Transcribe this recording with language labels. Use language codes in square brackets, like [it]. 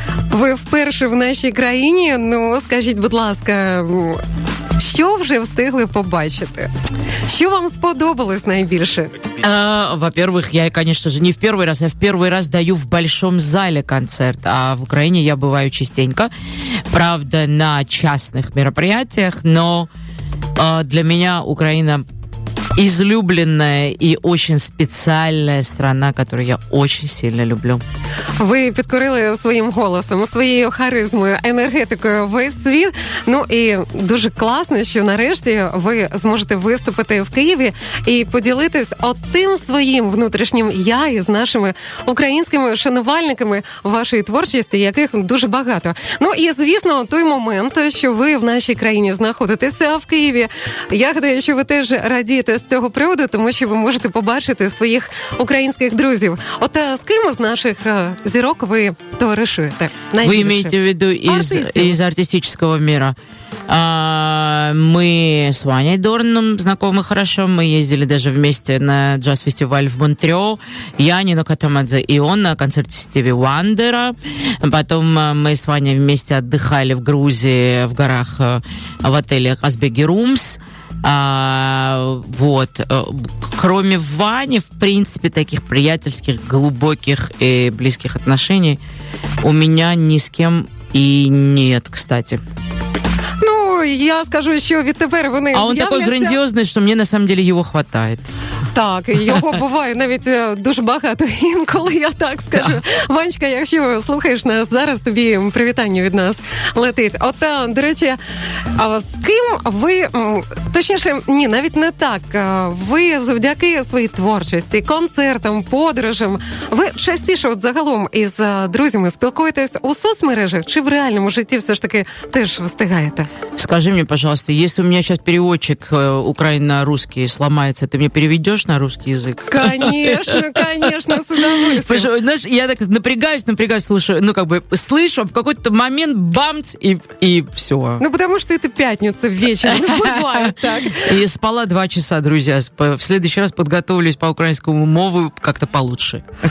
[uk] Ви вперше в нашій країні, ну, скажіть, будь ласка, що вже встигли побачити? Що вам сподобалось найбільше? [ru] Во-первых, я, конечно же, не в первый раз, я в первый раз даю в большом зале концерт, а в Украине я бываю частенько, правда, на частных мероприятиях, но для меня Украина излюбленная и очень специальная страна, которую я очень сильно люблю. [uk] Ви підкорили своїм голосом, своєю харизмою, енергетикою весь світ. Ну і дуже класно, що нарешті ви зможете виступити в Києві і поділитись отим своїм внутрішнім «я» із нашими українськими шанувальниками вашої творчості, яких дуже багато. Ну і, звісно, той момент, що ви в нашій країні знаходитеся в Києві. Я гадаю, що ви теж радієте з цього приводу, тому що ви можете побачити своїх українських друзів. От з ким із наших зірок ви товаришуєте? Ви маєте в виду із артистичного міра? [ru] Мы с Ваней Дорном знакомы хорошо, мы ездили даже вместе на джаз-фестиваль в Монтрео, я Нино Катамадзе и он на концерте Стиви Вандера, потом мы с Ваней вместе отдыхали в Грузии, в горах, в отеле Казбеги Румс, вот, кроме Вани, в принципе, таких приятельских, глубоких и близких отношений у меня ни с кем и нет, кстати. [uk] Я скажу, що відтепер вони з'являються. А він такий грандіозний, що мені на самом деле його вистачає. Так, його буває навіть дуже багато інколи, я так скажу. Да. Ванечка, якщо слухаєш нас зараз, тобі привітання від нас летить. От, до речі, з ким ви, точніше, ні, навіть не так, ви завдяки своїй творчості, концертам, подорожам, ви частіше от загалом із друзями спілкуєтесь у соцмережах, чи в реальному житті все ж таки теж встигаєте? Скажи мені, будь ласка, якщо у мене зараз переводчик україно-русський зламається, ти мені переведеш? [ru] На русский язык? Конечно, с удовольствием. Потому что, знаешь, я так напрягаюсь, слушаю, ну, как бы, слышу, а в какой-то момент бамц, и все. Ну, потому что это пятница вечером, ну, бывает так. И спала 2 часа, друзья. В следующий раз подготовлюсь по украинскому мову как-то получше.